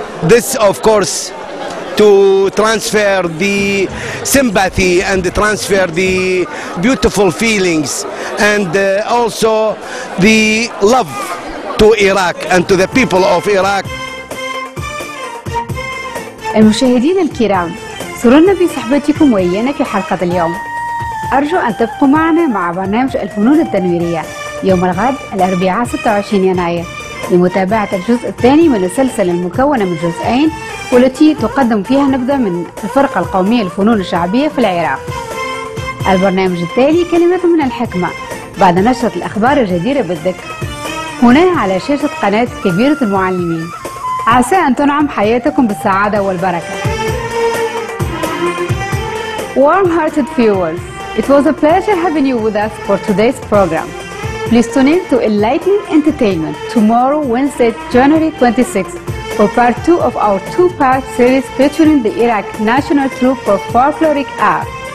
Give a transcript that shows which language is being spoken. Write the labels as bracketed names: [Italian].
[English] This, of course, to transfer the sympathy and transfer the beautiful feelings and also the love to Iraq and to the people of Iraq. [Arabic] المشاهدين الكرام، سررنا بصحبتكم وإيانا في حلقة اليوم. أرجو أن تبقوا معنا مع برنامج الفنون التنويرية يوم الغد الأربعاء 26 يناير لمتابعة الجزء الثاني من السلسلة المكونة من جزئين والتي تقدم فيها نبذة من الفرقة القومية للفنون الشعبية في العراق. البرنامج التالي كلمة من الحكمة بعد نشرة الأخبار الجديرة بالذكر هنا على شاشة قناة كبيرة المعلمين. عسى أن تنعم حياتكم بالسعادة والبركة. [English] Warm-hearted viewers, it was a pleasure having you with us for today's program. Please tune in to Enlightening Entertainment tomorrow, Wednesday, January 26th, for part two of our two-part series featuring the Iraq National Troupe for Folkloric Art.